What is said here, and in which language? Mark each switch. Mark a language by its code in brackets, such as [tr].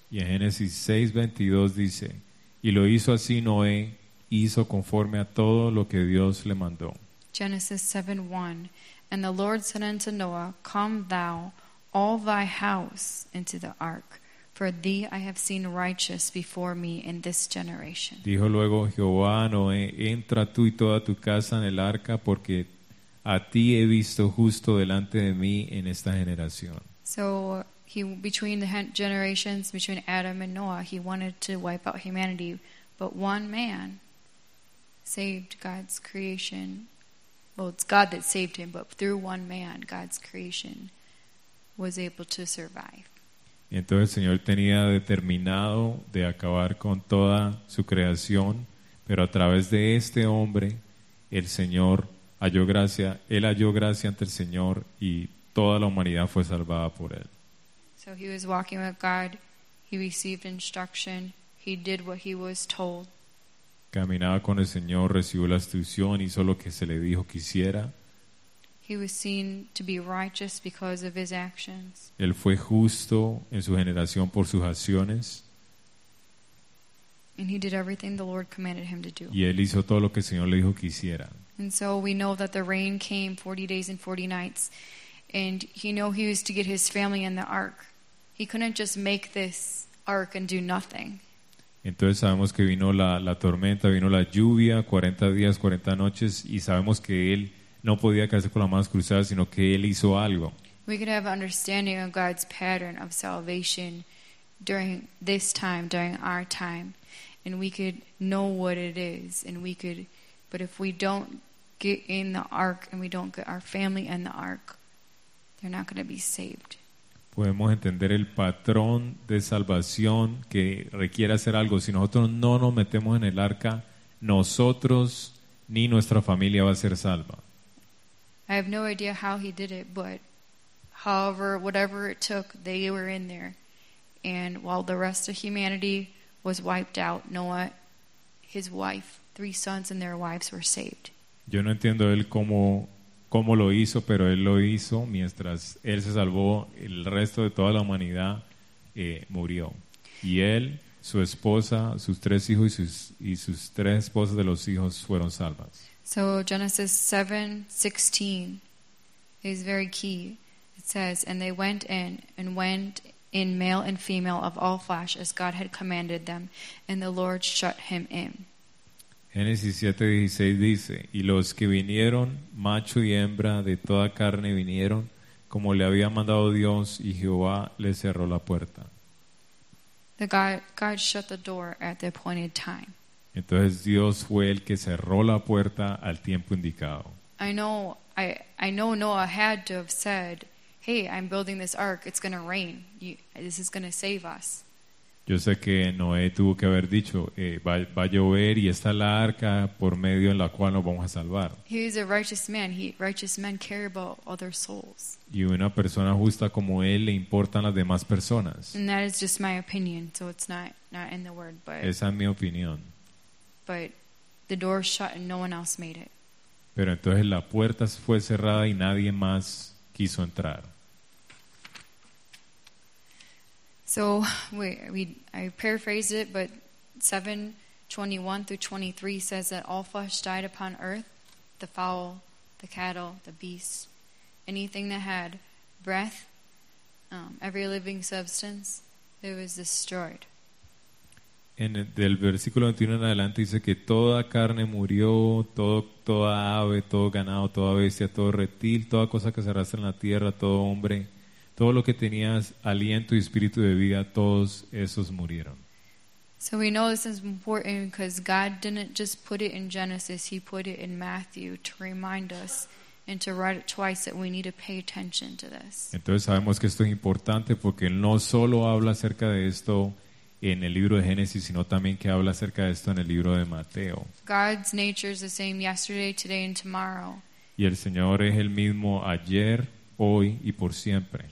[es] Y en Génesis 6:22 dice, "Y lo hizo así Noé, hizo conforme a todo lo que Dios le mandó." [en] Genesis 7:1, "And the Lord said unto Noah, Come thou all thy house into the ark, for thee I have seen righteous before me in this generation." [es] Dijo luego Jehová a Noé, "Entra tú y toda tu casa en el arca, porque a ti he visto justo delante de mí en esta generación." [en] So he, between the generations, between Adam and Noah, he wanted to wipe out humanity, but one man saved God's creation. Well, it's God that saved him, but through one man, God's creation was able to survive. [es] Y entonces el Señor tenía determinado de acabar con toda su creación, pero a través de este hombre, el Señor halló gracia, él halló gracia ante el Señor y toda la humanidad fue salvada por él. [en] So he was walking with God, he received instruction, he did what he was told. [es] Caminaba con el Señor, recibió la instrucción, hizo lo que se le dijo que hiciera. [en] He was seen to be righteous because of his actions. [es] Él fue justo en su generación por sus acciones. [en] And he did everything the Lord commanded him to do. [es] Y él hizo todo lo que el Señor le dijo que hiciera. [en] And so we know that the rain came 40 days and 40 nights. And he knew he was to get his family in the ark. He couldn't just make this ark and do nothing. [es] Entonces sabemos que vino la tormenta, vino la lluvia, 40 días, 40 noches, y sabemos que él no podía quedarse con las manos cruzadas, sino que él hizo algo. [en] We could have understanding of God's pattern of salvation during this time, during our time, and we could know what it is, and we could. But if we don't get in the ark and we don't get our family in the ark, they're not going to be saved. [es] Podemos entender el patrón de salvación que requiere hacer algo. Si nosotros no nos metemos en el arca, nosotros ni nuestra familia va a ser salva. [en] I have no idea how he did it, but however, whatever it took, they were in there. And while the rest of humanity was wiped out, Noah, his wife, three sons, and their wives were saved. [es] Yo no entiendo él cómo lo hizo, pero él lo hizo. Mientras él se salvó, el resto de toda la humanidad murió. Y él, su esposa, sus tres hijos y sus tres esposas de los hijos fueron salvas. [en] So Genesis 7:16 is very key. It says, "And they went in male and female of all flesh, as God had commanded them, and the Lord shut him in." [es] Génesis 7:16 dice, "Y los que vinieron, macho y hembra de toda carne vinieron, como le había mandado Dios, y Jehová le cerró la puerta." [en] God shut the door at the appointed time. [es] Entonces Dios fue el que cerró la puerta al tiempo indicado. [en] I know Noah had to have said, "Hey, I'm building this ark. It's going to rain. This is going to save us." [es] Yo sé que Noé tuvo que haber dicho, va a llover y está la arca por medio en la cual nos vamos a salvar. [en] He is a righteous man. Righteous men care about other souls. [es] Y una persona justa como él le importan las demás personas. [en] And that is just my opinion, so it's not in the word, but [es] esa es mi opinión. [en] But the door shut and no one else made it. [es] Pero entonces la puerta fue cerrada y nadie más quiso entrar. [en] So I paraphrased it, but 7:21-23 says that all flesh died upon earth, the fowl, the cattle, the beast, anything that had breath, every living substance, it was destroyed. [es] Del versículo 21 en adelante dice que toda carne murió, toda ave, todo ganado, toda bestia, todo reptil, toda cosa que se arrastra en la tierra, todo hombre, todo lo que tenías aliento y espíritu de vida, todos esos murieron. [en] So we know this is important because God didn't just put it in Genesis, he put it in Matthew to remind us and to write it twice that we need to pay attention to this. [es] Entonces sabemos que esto es importante porque él no solo habla acerca de esto en el libro de Génesis, sino también que habla acerca de esto en el libro de Mateo. [en] God's nature is the same yesterday, today and tomorrow. [es] Y el Señor es el mismo ayer, hoy y por siempre.